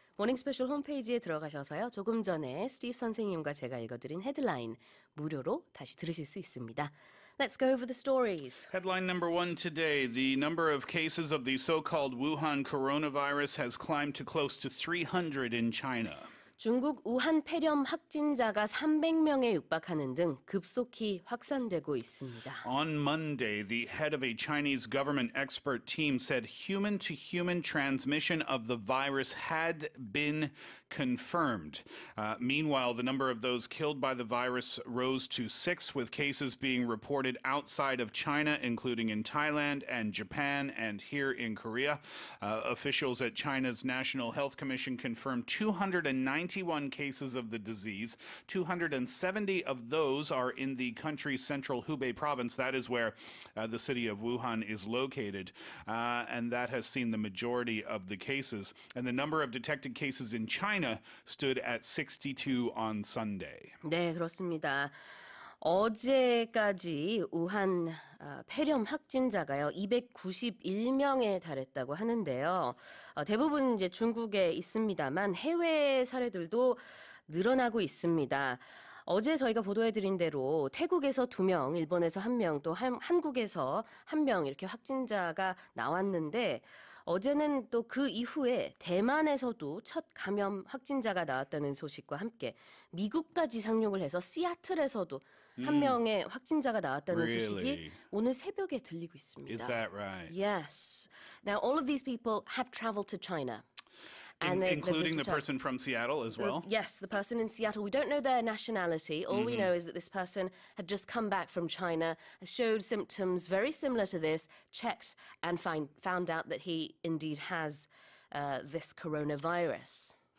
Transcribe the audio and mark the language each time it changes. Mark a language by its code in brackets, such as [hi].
[ko] Morning Special 홈페이지에 들어가셔서요, 조금 전에 스티브 선생님과 제가 읽어드린 헤드라인 무료로 다시 들으실 수 있습니다. [en] Let's go over the stories. Headline number one today. The number of cases of the so-called Wuhan coronavirus has climbed to close to 300 in China. [ko] 중국 우한 폐렴 확진자가 300명에 육박하는 등 급속히 확산되고 있습니다. [en] On Monday, the head of a Chinese government expert team said human-to-human transmission of the virus had been confirmed. Meanwhile, the number of those killed by the virus rose to 6, with cases being reported outside of China, including in Thailand and Japan and here in Korea. Officials at China's National Health Commission confirmed 291 cases of the disease. 270 of those are in the country's central Hubei province. That is where the city of Wuhan is located. And that has seen the majority of the cases. And the number of detected cases in China stood at 62 on Sunday. [ko] 네, 그렇습니다. 어제까지 우한 폐렴 확진자가요 291명에 달했다고 하는데요. 대부분 이제 중국에 있습니다만 해외 사례들도 늘어나고 있습니다. 어제 저희가 보도해드린 대로 태국에서 2명, 일본에서 1명, 또 한국에서 1명 이렇게 확진자가 나왔는데 어제는 또 그 이후에 대만에서도 첫 감염 확진자가 나왔다는 소식과 함께 미국까지 상륙을 해서 시애틀에서도 1명의 확진자가 나왔다는 [en] really? [ko] 소식이 오늘 새벽에 들리고 있습니다. [en] Is that right? Yes. Now all of these people had traveled to China. Including the person from Seattle as well? Yes, the person in Seattle. We don't know their nationality. All mm-hmm. we know is that this person had just come back from China, showed symptoms very similar to this, checked and found out that he indeed has this coronavirus.